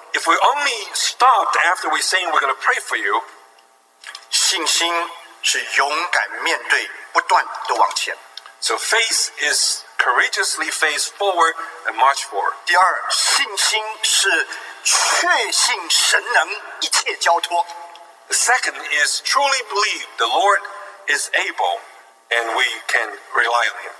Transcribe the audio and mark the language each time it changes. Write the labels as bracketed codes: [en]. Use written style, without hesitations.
[en] If we only stopped after we saying we're going to pray for you, [zh] 信心是勇敢面对，不断地往前。 [en] So faith is courageously face forward and march forward. [zh] 第二，信心是确信神能一切交托。 [en] The second is truly believe the Lord is able and we can rely on him.